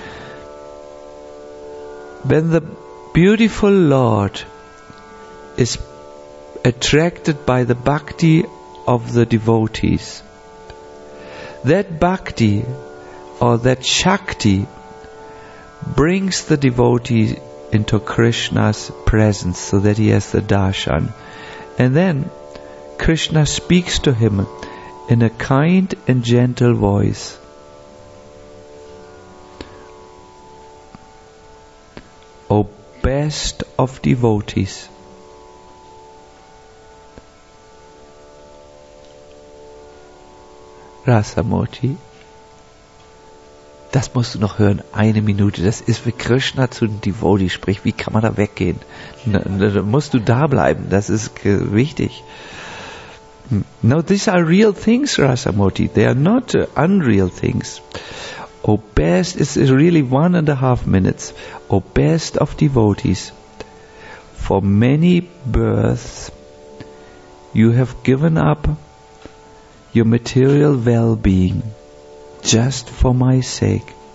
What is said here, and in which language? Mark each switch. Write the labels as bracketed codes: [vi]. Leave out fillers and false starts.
[en] When the beautiful Lord is attracted by the bhakti of the devotees, that bhakti or that shakti brings the devotee into Krishna's presence so that he has the darshan. And then Krishna speaks to him in a kind and gentle voice. O best of devotees, [de] Rasamoti, das musst du noch hören, eine Minute, das ist wie Krishna zu einem Devotee spricht, wie kann man da weggehen? Da musst du da bleiben, das ist wichtig. [en] No, these are real things, Rasamoti. They are not unreal things. O best, it's really 1.5 minutes. O best of devotees, for many births you have given up your material well-being just for my sake.